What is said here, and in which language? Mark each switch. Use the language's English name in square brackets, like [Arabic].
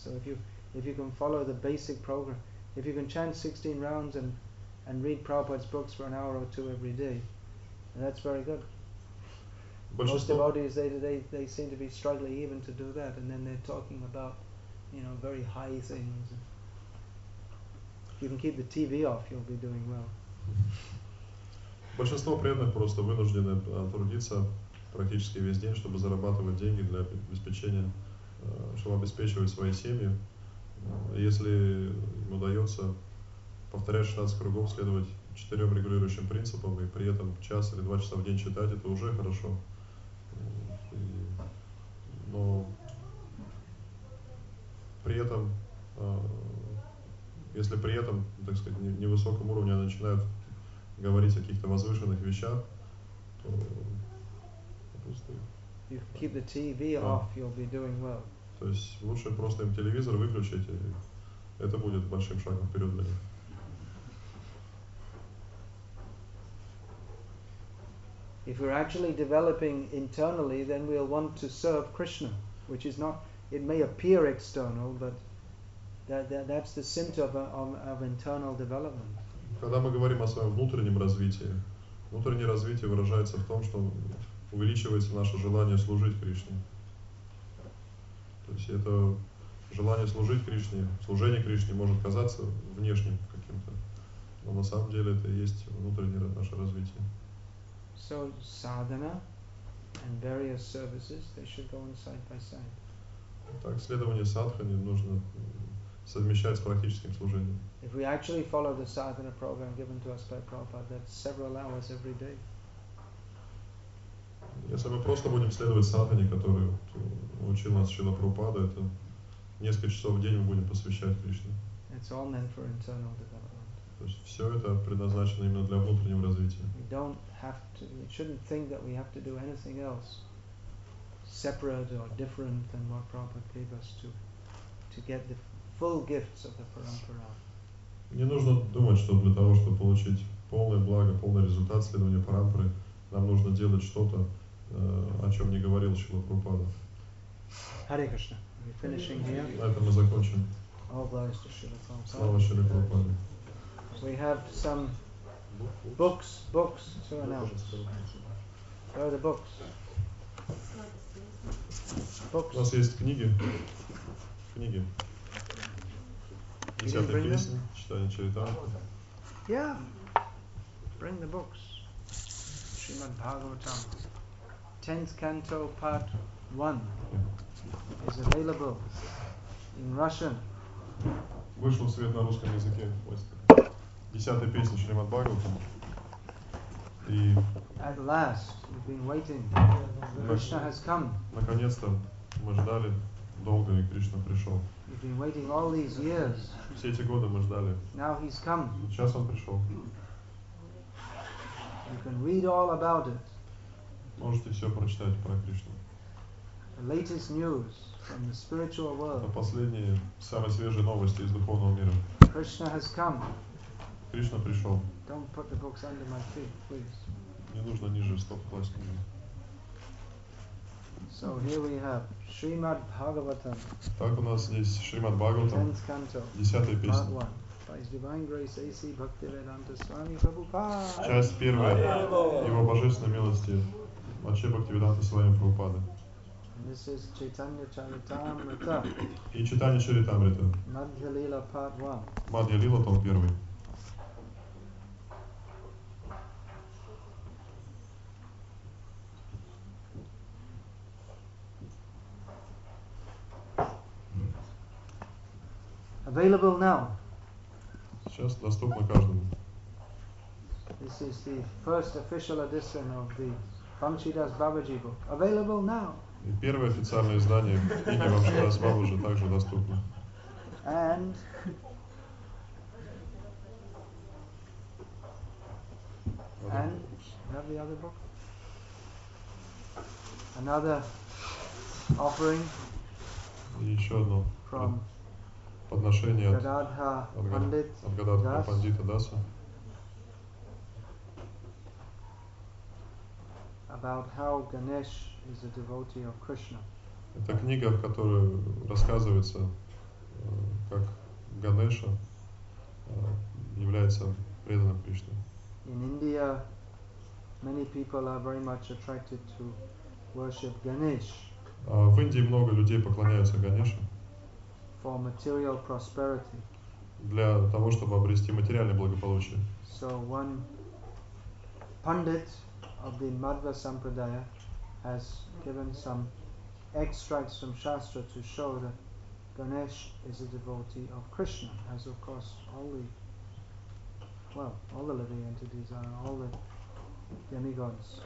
[English] So if you can follow the basic program, if you can chant 16 rounds and read Prabhupada's books for an hour or two every day, and that's very good. Most devotees, they seem to be struggling even to do that, and then they're talking about, you know, very high things. If you can keep the TV off, you'll be doing well. [Russian] Большинство преданных просто вынуждены трудиться практически весь день, чтобы зарабатывать деньги для обеспечения, чтобы обеспечивать свои семьи. Если им удается повторять 16 кругов, следовать 4 регулирующим принципам и при этом час или 2 часа в день читать, это уже хорошо. Но при этом, если при этом, так сказать, не в высоком уровне начинают говорить о каких-то возвышенных вещах, то просто... [English] You keep the TV off, you'll be doing well. [Russian] То есть лучше просто им телевизор выключить, и это будет большим шагом вперед для них. [English] If we're actually developing internally, then we'll want to serve Krishna, which is not, it may appear external, but that's the symptom of internal development. [Russian] Когда мы говорим о своем внутреннее развитие выражается в том, что увеличивается наше желание служить Кришне. То есть это желание служить Кришне, служение Кришне может казаться внешним каким-то, но на самом деле это и есть внутреннее наше развитие. [English] So sadhana and various services, they should go on side by side. [Russian] Так, следование садхане нужно совмещать с практическим служением. [English] If we actually follow the sadhana program given to us by Prabhupada, that's several hours every day. [Russian] Если мы просто будем следовать садхане, которую учил нас Шрила Прабхупада, это несколько часов в день мы будем посвящать Кришне. [English] It's all meant for internal development. [Russian] То есть все это предназначено именно для внутреннего развития. [English] We don't have to, we shouldn't think that we have to do anything else separate or different than what Prabhupada gave us to get the full gifts of the parampara. [Russian] Не нужно думать, что для того, чтобы получить полное благо, полный результат следования парампары, нам нужно делать что-то, о чем не говорил Шрила Прабхупада. [English] Hare Krishna. We're finishing here. [Russian] На этом мы закончим. [English] All glories to Shrila Prabhupada. [Russian] Слава Шриле Прабхупаде. [English] We have some books to announce. Where are the books? Books. [Russian] У нас есть книги. Десятая песня, читание Чаритамриты. [English] Yeah. Bring the books. Srimad Bhagavatam. 10th canto, part 1 is available in Russian. [Russian] Вышел в свет на русском языке. 10-я песня Шримад Бхагаватам. И [English] at last, we've been waiting. Krishna has come. [Russian] Наконец-то мы ждали долго, и Кришна пришел. [English] We've been waiting all these years. [Russian] Все эти годы мы ждали. [English] Now he's come. [Russian] Сейчас он пришел. [English] You can read all about it. [Russian] Можете все прочитать про Кришну. [English] The latest news from the spiritual world. [Russian] Это последние, самые свежие новости из духовного мира. [English] Krishna has come. [Russian] Кришна пришел. [English] Don't put the books under my feet, please. [Russian] не нужно ниже стоп класть книги. [English] So here we have Shrimad Bhagavatam. [Russian] Так у нас здесь Shrimad Bhagavatam. 10th песня. [English] By His Divine Grace, A.C. Bhaktivedanta Swami Prabhupada. [Russian] Часть первая. Его божественной милости. Аче Бхактивиданта Свами Прабхупады. [English] This is Chaitanya Charitamrita. [Russian] И Chaitanya Charitamrita. [English] Madhya Lila Part 1. [Russian] Madhya Lila, том первый. [English] Available now. [Russian] Сейчас доступно каждому. [English] This is the first official edition of the Bhamshidas Babaji book. Available now. [Russian] И первое официальное издание книги Бхамшидас Бабаджи также доступно. [English] And have the other book. Another offering. [Russian] И еще одно. [English] From [Russian] подношение от Гададха Пандита Даса. [English] About how Ganesh is a devotee of Krishna. [Russian] Это книга, в которой рассказывается, как Ганеша является преданным Кришне. [English] In India, many people are very much attracted to worship Ganesh. [Russian] В Индии много людей поклоняются Ганеше. [English] For material prosperity. [Russian] Для того, чтобы обрести материальное благополучие. [English] So one pundit of the Madhva Sampradaya has given some extracts from Shastra to show that Ganesh is a devotee of Krishna, as of course all the living entities are, all the demigods.